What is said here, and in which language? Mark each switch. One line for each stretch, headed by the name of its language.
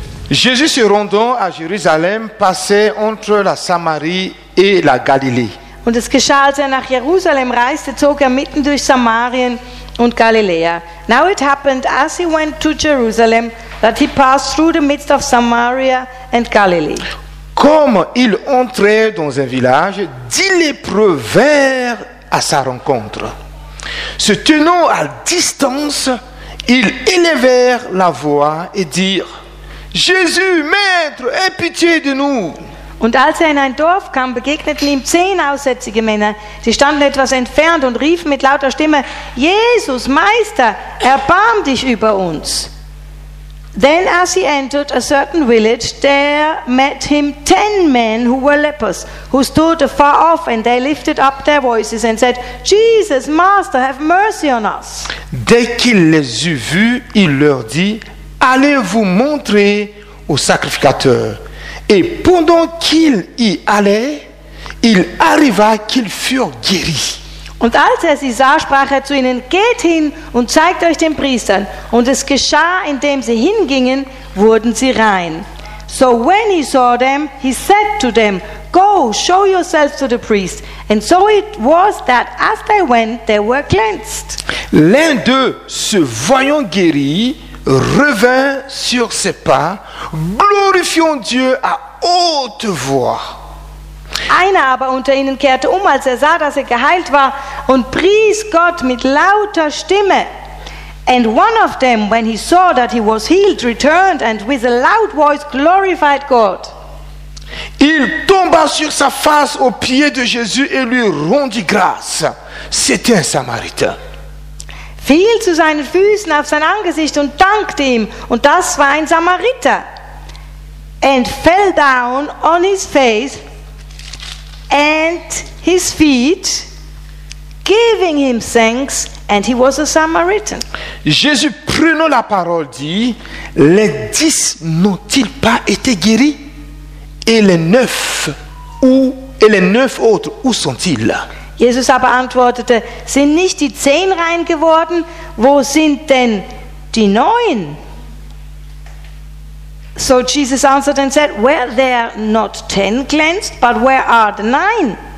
French: Jésus se rendant à Jérusalem, passait entre la Samarie et la Galilée.
German: Und es geschah, als er nach Jerusalem reiste, zog er mitten durch Samarien und Galiläa.
English: Now it happened, as he went to Jerusalem, that he passed through the midst of Samaria and Galilee.
French: Comme il entrait dans un village, 10 lépreux vinrent à sa rencontre. Se tenant à distance, ils élevèrent la voix et dirent, Jésus, maître, aie pitié de nous.
German: Und als er in ein Dorf kam, begegneten ihm 10 aussätzige Männer. Sie standen etwas entfernt und riefen mit lauter Stimme, Jesus, Meister, erbarm dich über uns.
English: Then as he entered a certain village, there met him 10 men who were lepers, who stood afar off, and they lifted up their voices and said, Jesus, Master, have mercy on us.
French: Dès qu'il les eut vus, il leur dit, allez vous montrer au sacrificateur. Et pendant qu'il y allait, il arriva qu'ils furent guéris.
German: Und als er sie sah, sprach er zu ihnen: Geht hin und zeigt euch den Priestern. Und es geschah, indem sie hingingen, wurden sie rein.
English: So when he saw them, he said to them, Go, show yourselves to the priest. And so it was that as they went, they were cleansed.
French: L'un d'eux, se voyant guéri, revint sur ses pas, glorifiant Dieu à haute voix.
German: Einer aber unter ihnen kehrte um, als er sah, dass er geheilt war, und pries Gott mit lauter Stimme.
English: And one of them, when he saw that he was healed, returned and with a loud voice glorified God.
French: Il tomba sur sa face aux pieds de Jésus et lui rendit grâce. C'était un Samaritain.
German: Fiel zu seinen Füßen auf sein Angesicht und dankte ihm, und das war ein Samariter.
English: And fell down on his face and his feet, giving him thanks, and he was a Samaritan.
French: Jésus prenant la parole dit, les 10 n'ont-ils pas été guéris? Et les neuf autres, où sont-ils?
German: Jesus aber antwortete, sind nicht die 10 rein geworden? Wo sind denn die 9?
English: So Jesus answered and said, were there not 10 cleansed, but where are the 9?